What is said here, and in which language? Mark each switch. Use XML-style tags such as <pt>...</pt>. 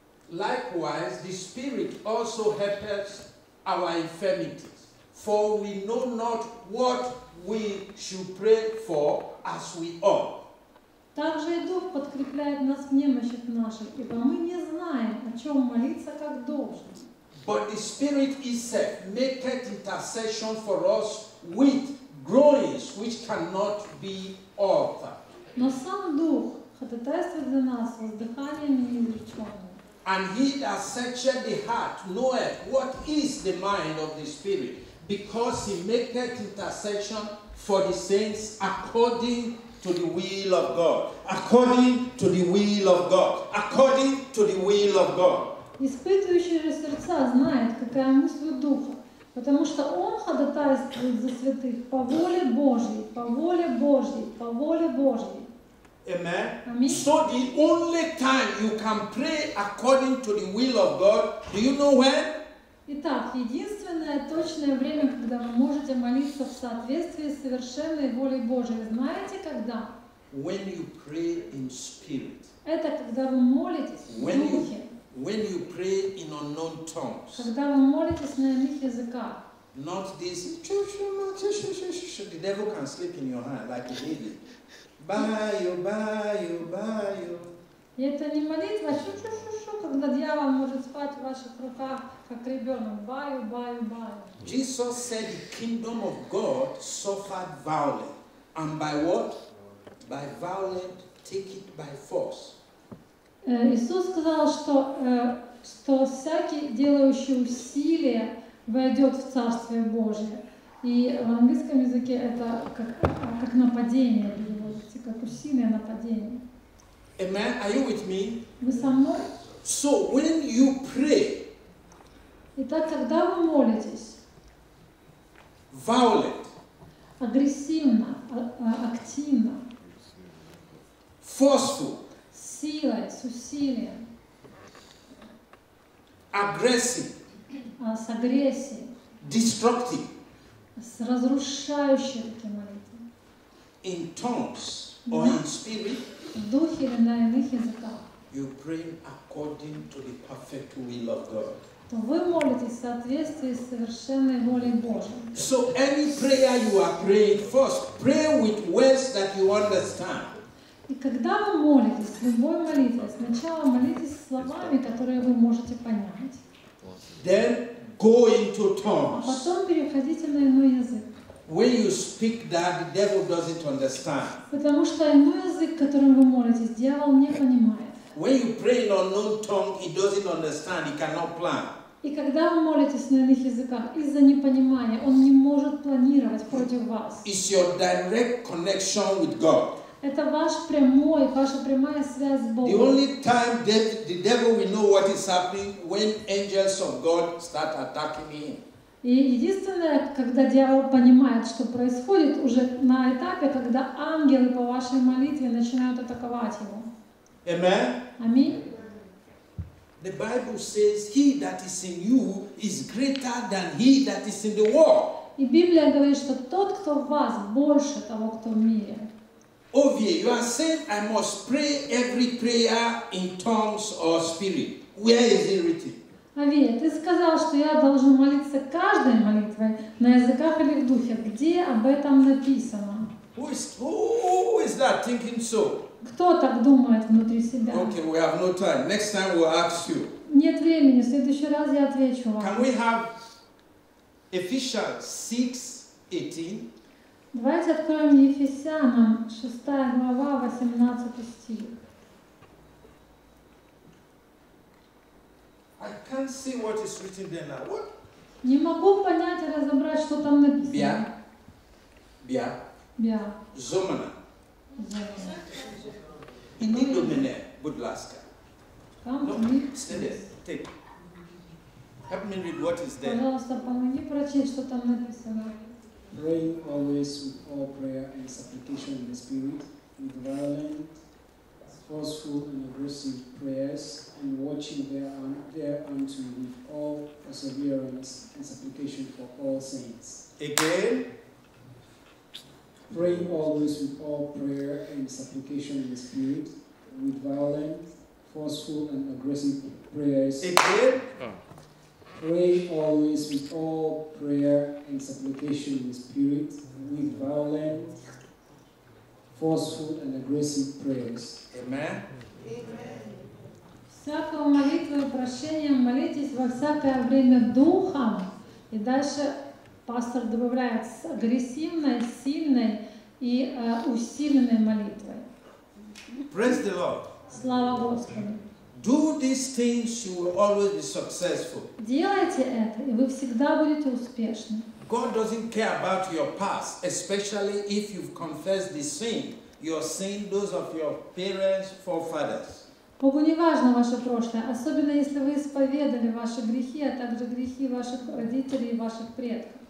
<en>Likewise, the Spirit also helps our infirmities, for we know not what we should pray for as we ought.</en> <ru>Также и Дух подкрепляет нас в немощах наших, ибо мы не знаем, о чем молиться, как должно.</ru> <en>But the Spirit itself maketh intercession for us with groanings which cannot be uttered.</en> <ru>Но сам Дух ходатайствует за нас воздыханиями неизреченными.</ru> <en>And he that searcheth the heart knoweth what is the mind of the Spirit, because he maketh intercession for the saints according to the will of God. According to the will of God. According to the will of God.</en> <ru>Испытывающий же сердца знает, какая мысль Духа, потому что Он ходатайствует за святых по воле Божьей, по воле Божьей, по воле Божьей.</ru> <en>Amen. Amen. So the only time you can pray according to the will of God, do you know when?</en> <ru>Итак, единственное точное время, когда вы можете молиться в соответствии с совершенной волей Божьей, знаете когда?</ru> <en>When you pray in spirit.</en> <ru>Это когда вы молитесь в духе.</ru> <en>When you pray in unknown tongues.</en> <ru>Когда вы молитесь на иных языках.</ru> <en>Not this. The devil can slip in your hand like a baby.</en> <ru>Баю, баю, баю. И это не молитва, когда дьявол может спать в ваших руках, как ребенок. Баю, баю, баю.</ru> <en>Jesus said, the kingdom of God suffered violence. And by what? By violence, take it by force.</en> <ru>Иисус сказал, что всякий, делающий усилия, войдет в Царствие Божие. И в английском языке это как нападение. Как усилие нападения.</ru> <en>Amen. Are you with me?</en> <ru>Вы со мной?</ru> <en>So when you pray,</en> <ru>итак, когда вы молитесь,</ru> <en>violent,</en> <ru>агрессивно, активно,</ru> <en>forceful,</en> <ru>силой, с усилием,</ru> <en>aggressive,</en> <ru>с агрессией,</ru> <en>destructive,</en> <ru>с разрушающей такой молитвой,</ru> <en>in tongues. Or in spirit,</en> <ru>в духе или на иных языках.</ru> <en>You pray according to the perfect will of God.</en> <ru>То вы молитесь в соответствии с совершенной волей Божьей.</ru> <en>So any prayer you are praying, first pray with words that you understand.</en> <ru>И когда вы молитесь, любой молитвой, сначала молитесь словами, которые вы можете понять.</ru> <en>Then go into tongues.</en> <ru>А потом переходите на иной язык.</ru> <en>When you speak that, the devil doesn't understand.</en> <ru>Потому что иной язык, которым вы молитесь, дьявол не понимает.</ru> <en>When you pray in unknown tongue, he doesn't understand. He cannot plan.</en> <ru>И когда вы молитесь на иных языках, из-за непонимания он не может планировать против вас.</ru> <en>It's your direct connection with God.</en> <ru>Это ваша прямая связь с Богом.</ru> <en>The only time the devil will know what is happening when angels of God start attacking him.</en> <ru>И единственное, когда дьявол понимает, что происходит, уже на этапе, когда ангелы по вашей молитве начинают атаковать его.</ru> <en>Amen.</en> <ru>Аминь.</ru> <en>The Bible says, he that is in you is greater than he that is in the world.</en> <ru>И Библия говорит, что тот, кто в вас, больше того, кто в мире.</ru> <en>Ovie, you are saying, I must pray every prayer in tongues or spirit. Where is it written?</en> <ru>Авия, ты сказал, что я должен молиться каждой молитвой на языках или в духе. Где об этом написано?</ru> <en>Who is that thinking so?</en> <ru>Кто так думает внутри себя?</ru> <en>Okay, we have no time. Next time we'll ask you.</en> <ru>Нет времени. В следующий раз я отвечу вам.</ru> <en>Can we have Ephesians 6:18?</en> <ru>Давайте откроем Ефесянам 6 глава 18 стих.</ru> <en>I can't see what is written there now. What?</en> <ru>Не могу понять и разобрать, что там написано. Bia. Bia. Bia. Zomana. In the Indomine, Budlaska.</ru> <en>Come to me. Stay there. Take. Help me read what is there.</en> <ru>Пожалуйста, помоги прочесть, что там написано.</ru> <en>Pray always with all prayer and supplication in the Spirit, with violent, forceful and aggressive prayers, and watching thereunto with all perseverance and supplication for all saints. Again? Praying always with all prayer and supplication in the Spirit, with violent, forceful and aggressive prayers. Again? Pray always with all prayer and supplication in the Spirit, with violent, forceful and aggressive prayers. Amen.</en> <ru>Всякою молитвою, прощением молитесь во всякое время Духом. И дальше пастор добавляет с агрессивной, сильной и усиленной молитвой.</ru> <en>Praise the Lord.</en> <ru>Слава Господу.</ru> <en>Do these things, you will always be successful.</en> <ru>Делайте это, и вы всегда будете успешны.</ru> <en>God doesn't care about your past, especially if you've confessed the sin, your sin, those of your parents, forefathers.</en> <ru>Богу не важно ваше прошлое, особенно если вы исповедали ваши грехи, а также грехи ваших родителей и ваших предков.</ru>